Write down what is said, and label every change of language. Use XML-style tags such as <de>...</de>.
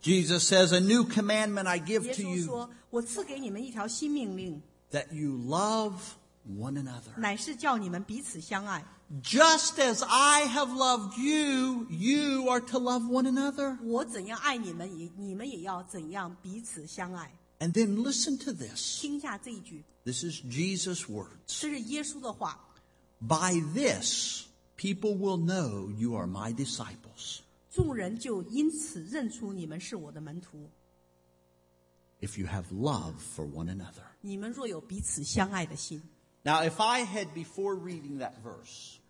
<en>，Jesus says, "A new commandment I give to you."</en> <zh>耶稣说，我赐给你们一条新命令</zh> <en>，That you love. One another.</en> <zh>乃是叫你们彼此相爱。</zh> <en>Just as I have loved you, you are to love one another.</en> <zh>我怎样爱你们，你们也要怎样彼此相爱。</zh> <en>And then listen to this.</en> <zh>听下这一句。</zh> <en>This is Jesus' words.</en> <zh>这是耶稣的话。</zh> <en>By this, people will know you are my disciples.</en> <zh>众人就因此认出你们是我的门徒。</zh> <en>If you have love for one another.</en> <zh>你们若有彼此相爱的心。</zh> <en>Now, if I had before reading that verse,</en>